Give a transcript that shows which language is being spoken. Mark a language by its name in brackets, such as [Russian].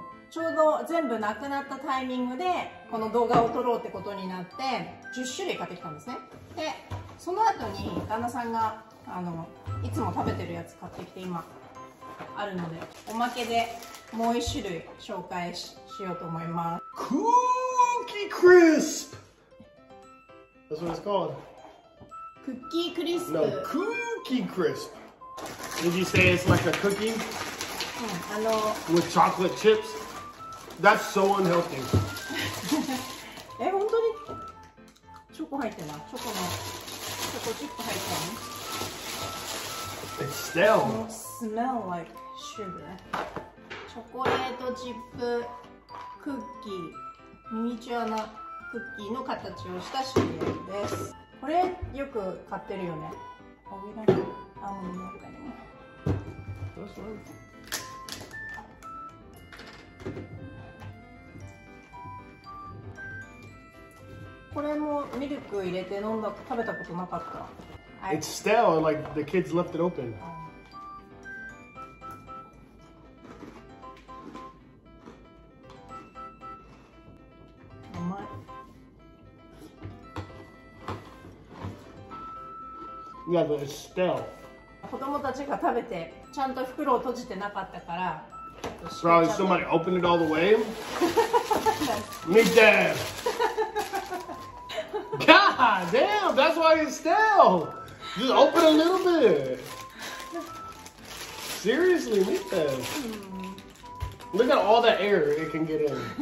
[Japanese] ちょうど全部なくなったタイミングでこの動画を撮ろうってことになって10種類買ってきたんですね。でその後に旦那さんがいつも食べてるやつ買ってきて今あるのでおまけでもう1種類紹介 しようと思います。 [English] クーキークリスプ That's what it's called [Japanese] クッキークリスプ [English] No, クーキークリスプ Did you say it's like a cookie? With chocolate chips? That's so unhealthy. [Japanese] え、本当に？チョコ入ってない？チョコの、チョコチップ入ってない？ [English] It's stale. It smells like sugar. [Japanese] チョコレートチップクッキー。ミニチュアなクッキーの形をしたシリアルです。これよく買ってるよね。おびらのアーモンドの他にも。どうする？これもミルク入れて飲んだ食べたことなかった。 [English] It's stale, like the kids left it open. [Japanese] うまい。 [English] Yeah, but it's stale. [Japanese] 子供たちが食べてちゃんと袋を閉じてなかったから。 [English] Probably somebody opened it all the way. Me dead. God damn, that's why it's stale. Just open a little bit. Seriously, me dead. Look at all that air it can get in.